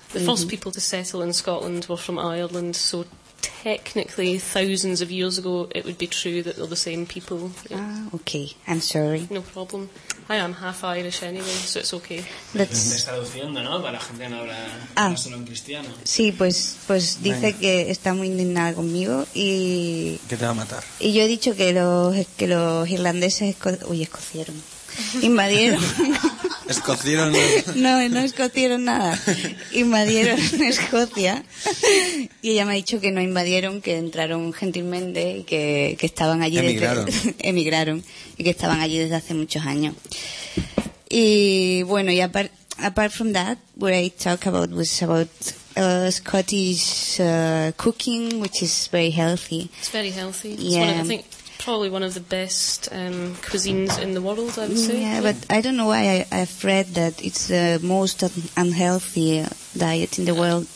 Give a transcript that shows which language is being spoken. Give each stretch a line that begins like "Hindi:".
English: The first people to settle in Scotland were from Ireland, so technically, thousands of years ago, it would be true that they're the same people. Ah, okay. I'm sorry. No problem. I am half Irish anyway, so it's okay. Let's...
Spanish: Me está traduciendo, ¿no? Para la gente que no habla solo en cristiano. Sí, pues dice que está muy indignada conmigo y... Que te va a matar. Y yo he dicho que los irlandeses... escocieron. Invadieron. ¿Escocieron? No escocieron nada. Invadieron Escocia. Y ella me ha dicho que no invadieron, que entraron gentilmente y que estaban allí. Emigraron. Y que estaban allí desde hace muchos años. Y bueno, y
English: apart from that, what I talk about was about Scottish cooking, which is very healthy. It's very healthy. Probably one of the best cuisines in the world, I would say. Yeah, but I don't know why I've read that it's the most unhealthy diet in the world.